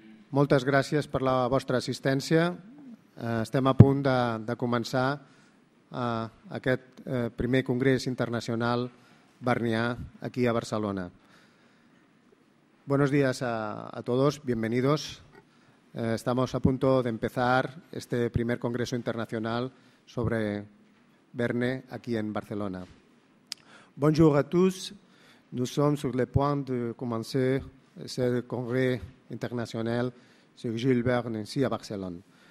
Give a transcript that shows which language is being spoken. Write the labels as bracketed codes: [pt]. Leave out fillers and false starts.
[ca] Moltes gràcies per la vostra assistència. Estem a punt de començar aquest primer congrés internacional Barnià aquí a Barcelona. [es] Buenos días a todos, bienvenidos. Estamos a punto de empezar este primer congreso internacional sobre Verne aquí en Barcelona. [fr] Bonjour à tous. Nous sommes sur le point de commencer ce congrès international sur Jules Verne ici à Barcelone.